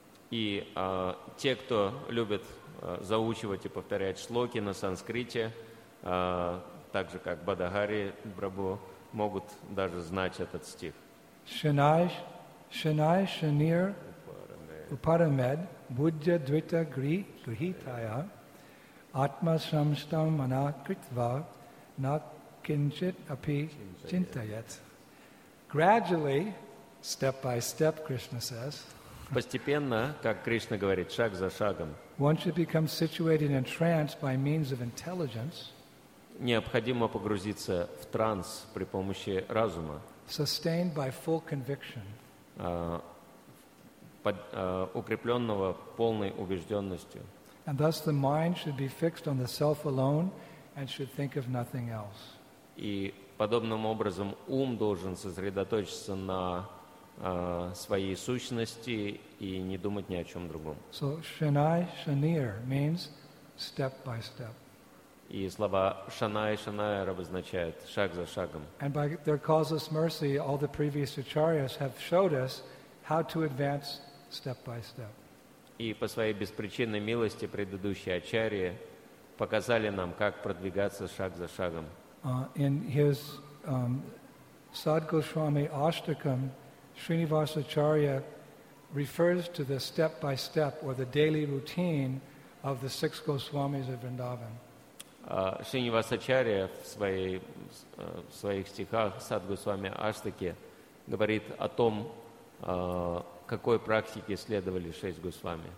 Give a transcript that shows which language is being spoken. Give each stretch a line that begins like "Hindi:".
Russian: И те, кто любит заучивать и повторять шлоки на санскрите, так же, как Бадахари, Брабу, могут даже знать этот стих.
Sanskrit: Шинай, Шинай, Шинир, Упарамед, Будья, Двита, Гри, Грихитая, Атма, Самштам, Мана, Критва, На, Кинчит, Апи, Чинтаят.
English: Gradually, step by step, Krishna says,
Russian: постепенно, как Кришна говорит, шаг за шагом,
English: one should become situated in trance by means of intelligence,
Russian: необходимо погрузиться в транс при помощи разума,
English: sustained by full conviction,
Russian: укрепленного полной убежденностью.
English: And thus the mind should be fixed on the self alone and should think of nothing else.
Russian: И подобным образом ум должен сосредоточиться на своей сущности и не думать ни о чем другом.
English: So shanai shanir means step by step.
Russian: И слова shanai shanir обозначают шаг за шагом.
English: And by their causeless mercy, all the previous acharyas have showed us how to advance step by step.
Russian: И по своей беспричинной милости предыдущие ачарьи показали нам, как продвигаться шаг за шагом.
English: In his Sad Goswami Ashtakam, Srinivasacharya refers to the step-by-step or the daily routine of the six Goswamis of Vrindavan.
Russian: Srinivasacharya в своих стихах Sad Goswami Ashtaki говорит о том, какой практике следовали шесть Госвами.